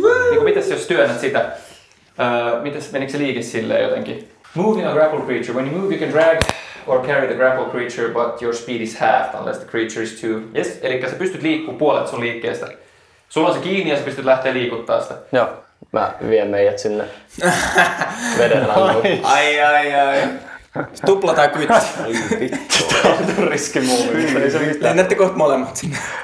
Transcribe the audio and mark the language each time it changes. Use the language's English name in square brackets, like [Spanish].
[Finnish] Niin mitäs jos työnnät sitä? Mitäs, menikö se liike silleen jotenkin? [English] Moving a grapple creature. When you move, you can drag or carry the grapple creature, but your speed is halved unless the creature is too... [Finnish] Yes, elikkä sä pystyt liikkuu puolet sun liikkeestä. Sulla on se kiinni ja sä pystyt lähteä liikuttaa sitä. Joo, mä vien meidät sinne veden rannalle. Ai. Tupla tai kytti. Ai vittu. Tää on riski muuta. Lennätte kohta molemmat sinne.